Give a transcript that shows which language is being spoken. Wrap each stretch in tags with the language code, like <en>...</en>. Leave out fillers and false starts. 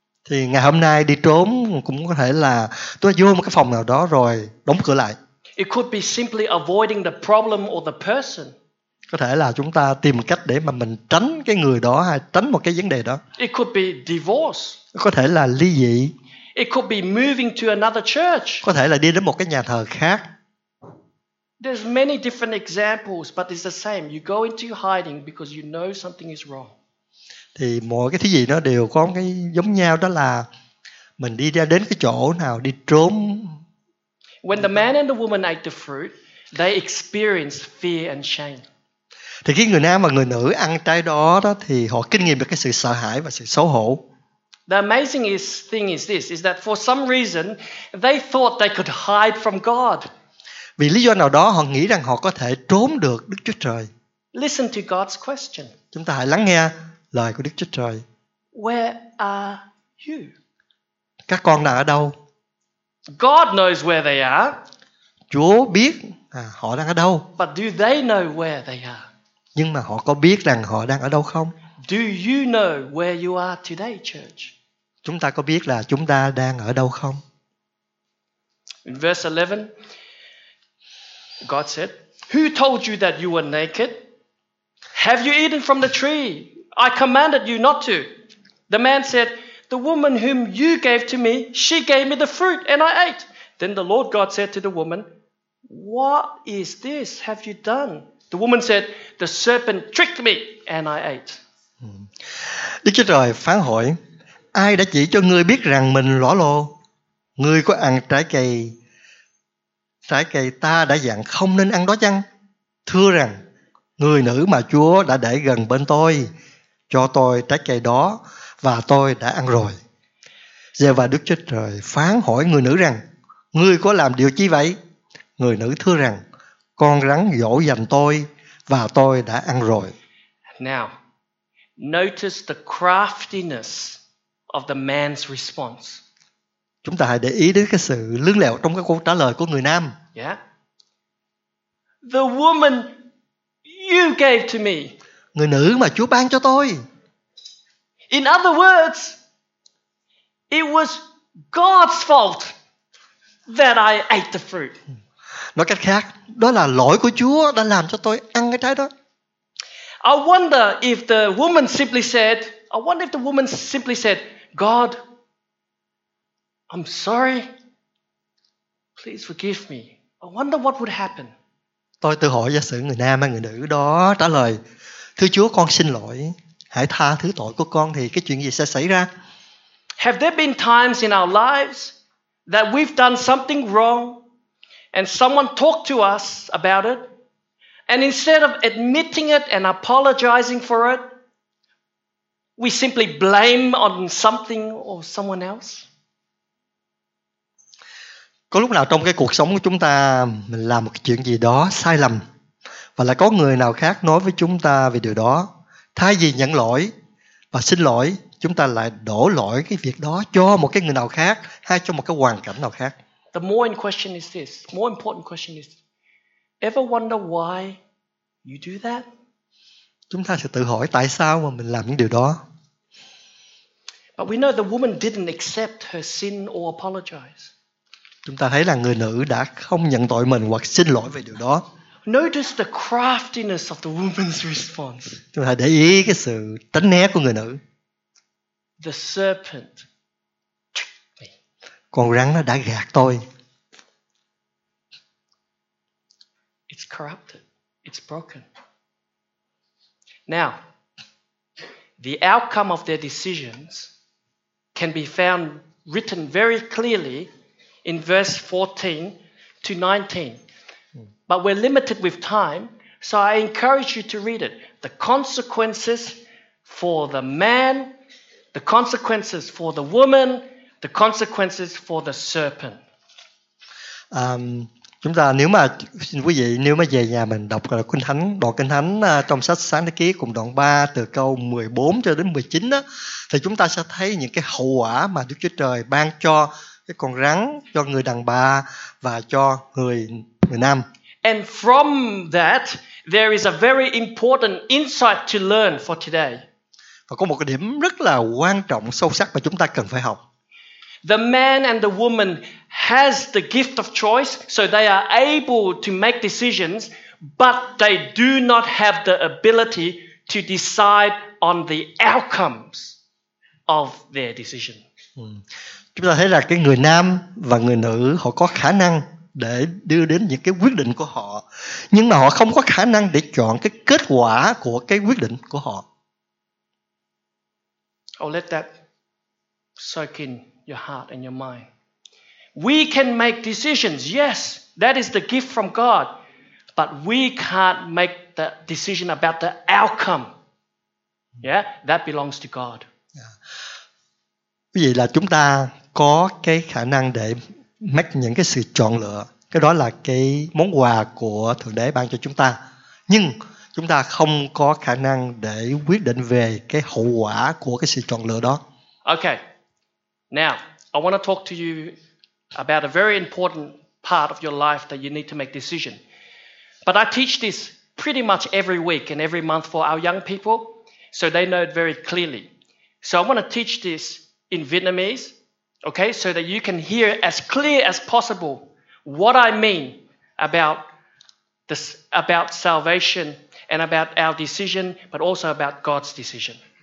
<vi>Thì ngày hôm nay đi trốn cũng có thể là tôi vô một cái phòng nào đó rồi đóng cửa lại.</vi> <en>It could be simply avoiding the problem or the person.</en> <vi>Có thể là chúng ta tìm cách để mà mình tránh cái người đó hay tránh một cái vấn đề đó.</vi> <en>It could be divorce.</en> <vi>Có thể là ly dị.</vi> <en>It could be moving to another church.</en> <vi>Có thể là đi đến một cái nhà thờ khác.</vi> <en>There's many different examples, but it's the same. You go into hiding because you know something is wrong.</en> <vi>Thì mọi cái thứ gì nó đều có cái giống nhau, đó là mình đi ra đến cái chỗ nào đi trốn.</vi> <en>When the man and the woman ate the fruit, they experienced fear and shame.</en> <vi>Thì cái người nam và người nữ ăn trái đó đó thì họ kinh nghiệm được cái sự sợ hãi và sự xấu hổ.</vi> <en>The amazing thing is this, is that for some reason they thought they could hide from God.</en> <vi>Vì lý do nào đó họ nghĩ rằng họ có thể trốn được Đức Chúa Trời.</vi> <en>Listen to God's question.</en> <vi>Chúng ta hãy lắng nghe lời của Đức Chúa Trời.</vi> <en>Where are you?</en> <vi>Các con đang ở đâu?</vi> <en>God knows where they are.</en> <vi>Chúa biết họ đang ở đâu.</vi> <en>But do they know where they are?</en> <vi>Nhưng mà họ có biết rằng họ đang ở đâu không?</vi> <en>Do you know where you are today, church?</en> <vi>Chúng ta có biết là chúng ta đang ở đâu không?</vi> <en>In verse 11, God said, "Who told you that you were naked? Have you eaten from the tree? I commanded you not to." The man said, "The woman whom you gave to me, she gave me the fruit and I ate." Then the Lord God said to the woman, "What is this? Have you done?" The woman said, "The serpent tricked me and I ate."</en> <vi>Đức Chúa Trời phán hỏi: "Ai đã chỉ cho ngươi biết rằng mình lõa lồ? Ngươi có ăn trái cây ta đã dặn không nên ăn đó chăng? Thưa rằng, người nữ mà Chúa đã để gần bên tôi cho tôi trái cây đó và tôi đã ăn rồi." Giê-hô-va Đức Chúa Trời phán hỏi người nữ rằng: "Ngươi có làm điều chi vậy?" Người nữ thưa rằng: "Con rắn dỗ dành tôi và tôi đã ăn rồi."</vi> <en>Now, notice the craftiness of the man's response.</en> <vi>Chúng ta hãy để ý đến cái sự lươn lẹo trong cái câu trả lời của người nam.</vi> <en>Yeah. "The woman you gave to me."</en> <vi>Người nữ mà Chúa ban cho tôi.</vi> <en>In other words, it was God's fault that I ate the fruit.</en> <vi>Nói cách khác, đó là lỗi của Chúa đã làm cho tôi ăn cái trái đó.</vi> <en>I wonder if the woman simply said, "God, I'm sorry. Please forgive me." I wonder what would happen.</en> <vi>Tôi tự hỏi, giả sử người nam hay người nữ đó trả lời: Thưa Chúa, con xin lỗi. Hãy tha thứ tội của con thì cái chuyện gì sẽ xảy ra?</vi> <en>Have there been times in our lives that we've done something wrong and someone talked to us about it and instead of admitting it and apologizing for it, we simply blame on something or someone else?</en> <vi>Có lúc nào trong cái cuộc sống của chúng ta mình làm một chuyện gì đó sai lầm và lại có người nào khác nói với chúng ta về điều đó, thay vì nhận lỗi và xin lỗi, chúng ta lại đổ lỗi cái việc đó cho một cái người nào khác hay cho một cái hoàn cảnh nào khác?</vi> <en>The more in question is this, more important question is, ever wonder why you do that?</en> <vi>Chúng ta sẽ tự hỏi tại sao mà mình làm những điều đó.</vi> <en>But we know the woman didn't accept her sin or apologize.</en> <vi>Chúng ta thấy là người nữ đã không nhận tội mình hoặc xin lỗi về điều đó.</vi> <en>Notice the craftiness of the woman's response.</en> <vi>Chúng ta để ý cái sự tránh né của người nữ.</vi> <en>The serpent tricked me.</en> <vi>Con rắn nó đã gạt tôi.</vi> <en>It's corrupted. It's broken. Now, the outcome of their decisions can be found written very clearly in verse 14 to 19. But we're limited with time, so I encourage you to read it. The consequences for the man, the consequences for the woman, the consequences for the serpent.</en> <vi>Chúng ta nếu mà xin quý vị nếu mà về nhà mình đọc Kinh Thánh, đoạn Kinh Thánh trong sách Sáng Thế Ký cùng đoạn 3 từ câu 14 cho đến 19 á, thì chúng ta sẽ thấy những cái hậu quả mà Đức Chúa Trời ban cho cái con rắn, cho người đàn bà và cho người nam.</vi> <en>And from that there is a very important insight to learn for today.</en> <vi>Và có một cái điểm rất là quan trọng sâu sắc mà chúng ta cần phải học.</vi> <en>The man and the woman has the gift of choice, so they are able to make decisions, but they do not have the ability to decide on the outcomes of their decision.</en> <vi>Chúng ta thấy là cái người nam và người nữ họ có khả năng để đưa đến những cái quyết định của họ, nhưng mà họ không có khả năng để chọn cái kết quả của cái quyết định của họ.</vi> <en>I'll let that soak in your heart and your mind. We can make decisions. Yes, that is the gift from God. But we can't make the decision about the outcome. Yeah, that belongs to God.</en> <vi>Vì vậy là chúng ta có cái khả năng để make những cái sự chọn lựa. Cái đó là cái món quà của Thượng Đế ban cho chúng ta. Nhưng chúng ta không có khả năng để quyết định về cái hậu quả của cái sự chọn lựa đó.</vi> <en>Okay. Now, I want to talk to you about a very important part of your life that you need to make decision. But I teach this pretty much every week and every month for our young people, so they know it very clearly. So I want to teach this in Vietnamese, okay, so that you can hear as clear as possible what I mean about this, about salvation and about our decision, but also about God's decision.</en>